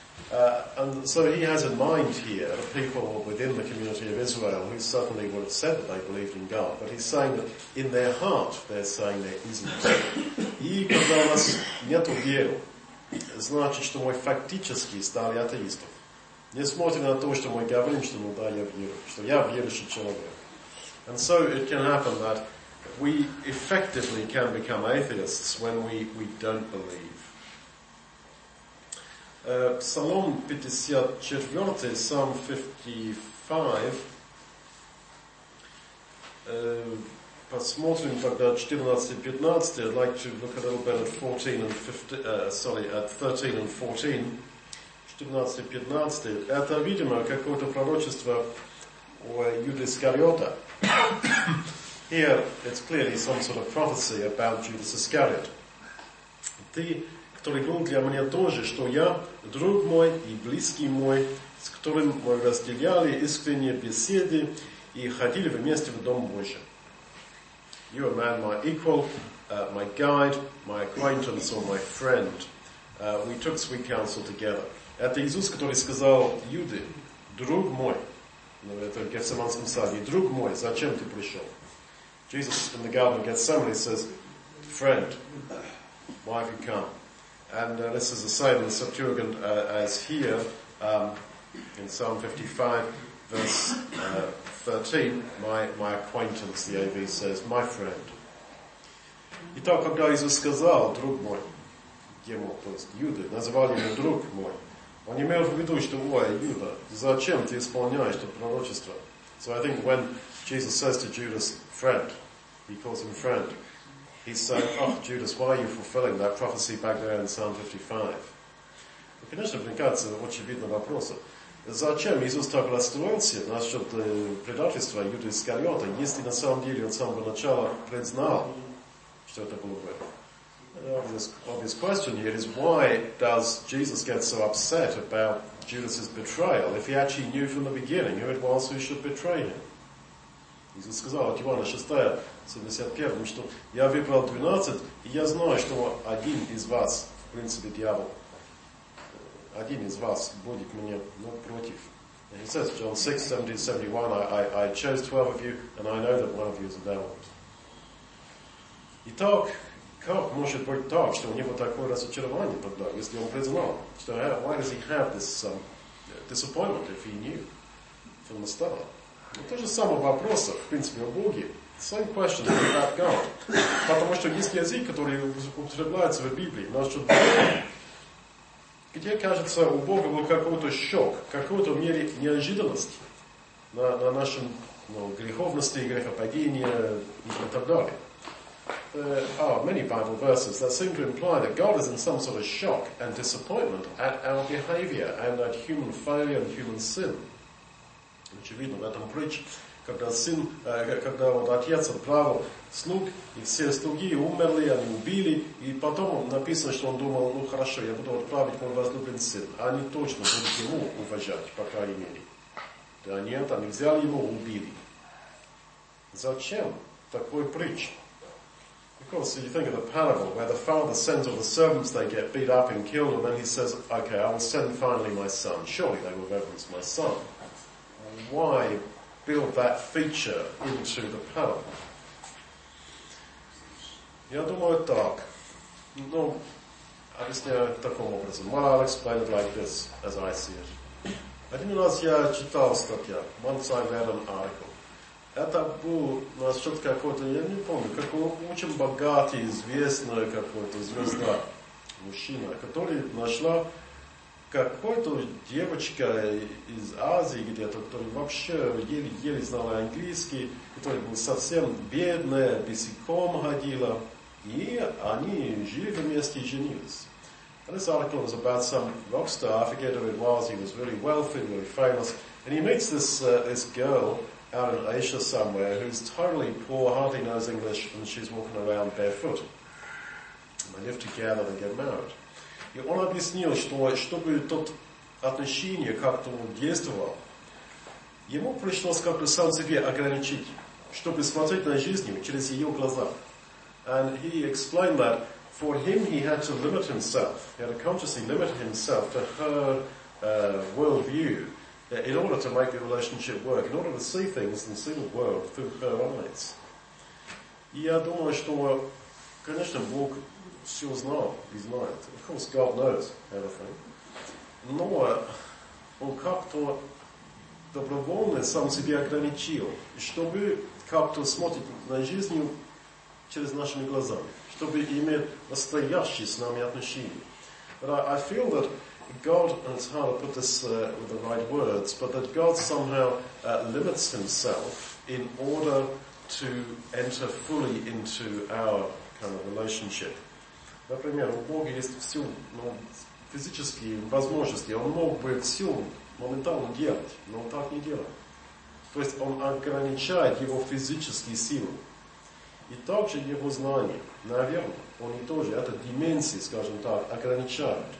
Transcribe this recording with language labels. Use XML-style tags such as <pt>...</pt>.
<en>And so he has in mind here the people within the community of Israel who certainly would have said that they believed in God, but he's saying that in their heart they're saying there isn't.</en> <ru>И когда у нас нету веры, значит, что мы фактически стали атеистом. Несмотря на то, что мы говорим, что ну да, я верю, что я верующий человек.</ru> <en>And so it can happen that we effectively can become atheists when we don't believe.</en> <ru>Псалом 54,</ru> <en>Psalm 55,</en> <ru>посмотрим тогда 14-15,</ru> <en>I'd like to look a little bit at 13 and 14,</en> <ru>14-15, это, видимо, какое-то пророчество у Юды Искариота.</ru> <en>Here, it's clearly some sort of prophecy about Judas Iscariot.</en> <ru>The который был для меня тоже, что я, друг мой и близкий мой, с которым мы разделяли искренние беседы и ходили вместе в Дом Божий.</ru> <en>You are man, my equal, my guide, my acquaintance or my friend. We took sweet counsel together.</en> <ru>Это Иисус, который сказал Юде, друг мой, ну, это в Гефсиманском саде, друг мой, зачем ты пришел?</ru> <en>Jesus in the Garden of Gethsemane says, friend, why have you come? And this is the same in the Septuagint as here in Psalm 55, verse 13. My acquaintance, the AV says, my friend.</en> <ru>Итак, когда Иисус сказал, друг мой, ему, то есть Юда, называли его друг мой, он имел в виду, что, ой, Юда, зачем ты исполняешь это пророчество?</ru> <en>So I think when Jesus says to Judas, friend, he calls him friend. He said, oh, Judas, why are you fulfilling that prophecy back there in Psalm 55?</en> <ru>Ну, конечно, возникается очевидный вопрос. Зачем Иисус так расстроился насчет предательства Юды Искариота, если на самом деле он с самого начала признал, что это было бы?</ru> <en>Obvious question here is, why does Jesus get so upset about Judas' betrayal if he actually knew from the beginning who it was who should betray him?</en> <ru>Иисус сказал, от Иоанна 6, 71, что я выбрал 12, и я знаю, что один из вас, в принципе, дьявол, один из вас будет мне, ну, против.</ru> <en>And he says, John 6, 70, 71, I chose 12 of you, and I know that one of you is a devil.</en> <ru>Итак, как может быть так, что у него такое разочарование тогда, если он признал?</ru> <en>Что, why does he have this disappointment if he knew from the start?</en> <ru>Ну, то же самое вопрос, в принципе, о Боге.</ru> <en>Same question about God.</en> <ru>Потому что есть язык, который употребляется в Библии, насчет Бога, где, кажется, у Бога был какой-то шок, какой-то мере неожиданности на нашем, ну, греховности, грехопадении и так далее.</ru> <en>Many Bible verses that seem to imply that God is in some sort of shock and disappointment at our behavior and at human failure and human sin.</en> <ru>Очевидно, в этом притче, когда вот отец отправил слуг, и все слуги умерли, они убили, и потом написано, что он думал, ну хорошо, я буду отправить мой возлюбленный сын. Они точно будут ему уважать, по крайней мере. Да нет, они взяли его, убили. Зачем такой притч?</ru> <en>Because you think of the parable, where the father sends all the servants, they get beat up and killed, and then he says, okay, I will send finally my son. Surely they will reverence my son. Why build that feature into the parable?</en> <ru>Я думаю так. Ну, объясняю таким образом.</ru> <en>Well, I'll explain it like this, as I see it.</en> <ru>Один раз я читал статья.</ru> <en>Once I read an article.</en> <ru>Это был насчет какой-то, я не помню, какой очень богатый, известный какой-то звезда, мужчина, который нашла какой-то девочка из Азии где-то, которая вообще еле-еле знала английский, которая была совсем бедная, босиком ходила, и они жили вместе и женились.</ru> <en>And this article was about some rock star, I forget who it was, he was really wealthy, really famous, and he meets this girl out in Asia somewhere who's totally poor, hardly knows English, and she's walking around barefoot. And they live together, they get married.</en> <ru>И он объяснил, что чтобы тот отношение как-то действовало, ему пришлось как-то сам себе ограничить, чтобы смотреть на жизнь через ее глаза.</ru> <en>And he explained that for him he had to limit himself, he had to consciously limit himself to her worldview in order to make the relationship work, in order to see things and see the world through her eyes.</en> <ru>Я думаю, что, конечно, Бог все знал и знает.</ru> <en>Of course, God knows everything.</en> <ru>Но он как-то добровольно сам себе ограничил, чтобы как-то смотреть на жизнь через нашими глазами, чтобы иметь настоящие с нами отношения.</ru> <en>But I feel that God, and it's hard to put this with the right words, but that God somehow limits himself in order to enter fully into our kind of relationship.</en> <ru>Например, у Бога есть все, ну, физические возможности. Он мог бы все моментально делать, но он так не делает. То есть он ограничает его физические силы. И также его знания, наверное, он не тоже, это деменции, скажем так, ограничают.</ru>